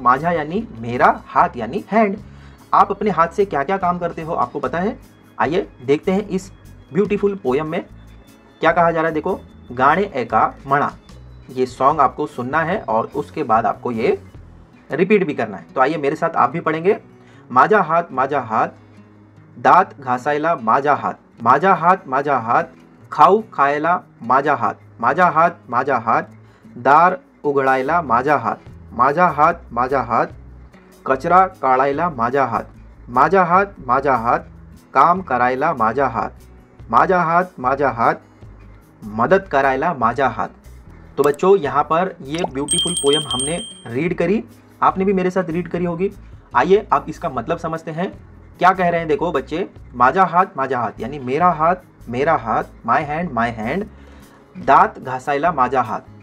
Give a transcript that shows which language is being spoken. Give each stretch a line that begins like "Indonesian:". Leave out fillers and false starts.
Hindi: माझा यानी मेरा, हाथ यानी हैंड। आप अपने हाथ से क्या क्या काम करते हो आपको पता है? आइए देखते हैं इस ब्यूटीफुल पोयम में क्या कहा जा रहा है। देखो, गाने एका मणा, ये सॉन्ग आपको सुनना है और उसके बाद आपको ये रिपीट भी करना है। तो आइए मेरे साथ आप भी पढ़ेंगे।
Marathi: माझा हाथ दांत घासायला माझा हाथ माझा हाथ खाऊ खायला माझा हाथ माझा हाथ दार उघडायला माझा हाथ माझा हाथ कचरा काढायला माझा हाथ माझा हाथ काम करायला माझा हाथ माझा हाथ मदद करायला माझा हाथ।
Hindi: तो बच्चों यहाँ पर ये ब्यूटीफुल पोयम हमने रीड करी, आपने भी मेरे साथ रीड करी होगी। आइए आप इसका मतलब समझते हैं, क्या कह रहे हैं। देखो बच्चे, माझा हाथ यानी मेरा हाथ माय हैंड
Marathi: दांत घासायला माझा हाथ।